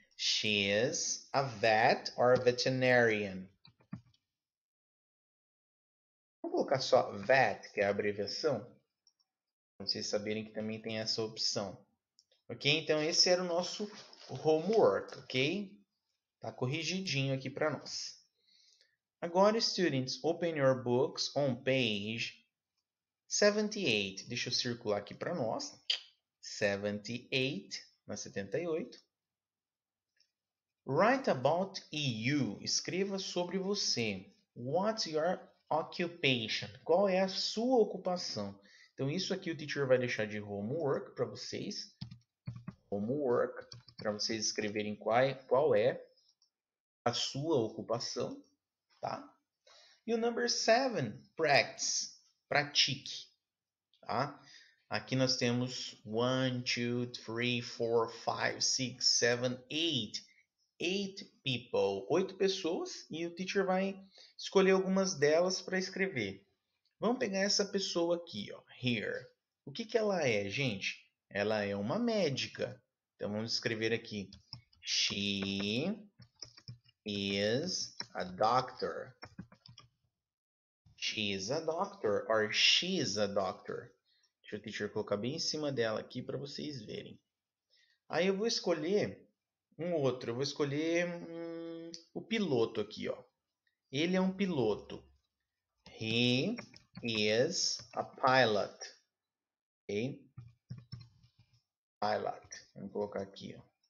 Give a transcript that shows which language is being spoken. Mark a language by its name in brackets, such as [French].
[English] She is a vet or veterinarian. [Portuguese] Vou colocar só vet, que é a abreviação, para vocês saberem que também tem essa opção. Ok? Então, esse era o nosso homework, ok? Tá corrigidinho aqui para nós. [English] Agora, students, open your books on page 78. [Portuguese] Deixa eu circular aqui para nós. [English] 78, na 78. Write about you. [Portuguese] Escreva sobre você. [English] What's your occupation? [Portuguese] Qual é a sua ocupação? Então, isso aqui o teacher vai deixar de homework para vocês. Homework, para vocês escreverem qual é a sua ocupação, tá? E o number 7, practice. Pratique. Tá? Aqui nós temos 1, 2, 3, 4, 5, 6, 7, 8. [English] 8 people. [Portuguese] 8 pessoas. E o teacher vai escolher algumas delas para escrever. Vamos pegar essa pessoa aqui, ó, here. O que que ela é, gente? Ela é uma médica. Então vamos escrever aqui. [English] She is a doctor. She is a doctor or she's a doctor. [Portuguese] Deixa o teacher colocar bem em cima dela aqui para vocês verem. Aí eu vou escolher um outro. Eu vou escolher o piloto aqui, ó. Ele é um piloto. [English] He is a pilot. [Portuguese] Ok? Pilot. Vamos colocar aqui, ó.